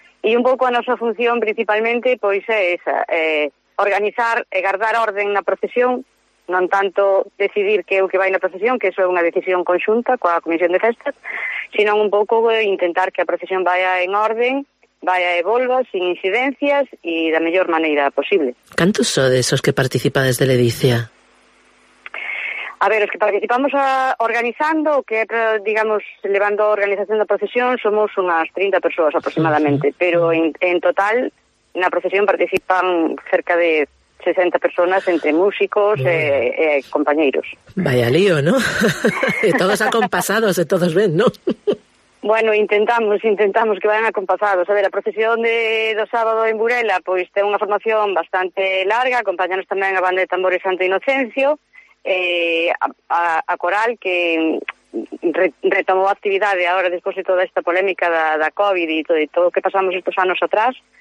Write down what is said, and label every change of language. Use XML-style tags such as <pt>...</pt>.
<gl>E un pouco a nosa función, principalmente, pois é esa, organizar e guardar orden na procesión, non tanto decidir que é o que vai na procesión, que iso é unha decisión conxunta coa Comisión de Festas, sino un pouco intentar que a procesión</gl> <es>vaya en orden, vaya</es> <gl>e volva, sin incidencias e da mellor maneira posible. Cantos son de esos que participa desde Ledicia? A ver, os que participamos organizando, que digamos, levando a organización da procesión, somos unhas 30 persoas aproximadamente, uh-huh. Pero en total, na procesión participan cerca de 60 personas entre músicos e compañeros.</gl> <es>Vaya lío, ¿no? Todos acompasados, todos ven, ¿no? Bueno, intentamos que vayan acompasados.</es> <gl>A ver, a procesión do sábado en Burela, pois ten unha formación bastante larga, acompáñanos tamén a banda de tambores Santo Inocencio, a coral que retomou a actividade agora despois de toda esta polémica da COVID e todo o que pasamos estes anos atrás.</gl>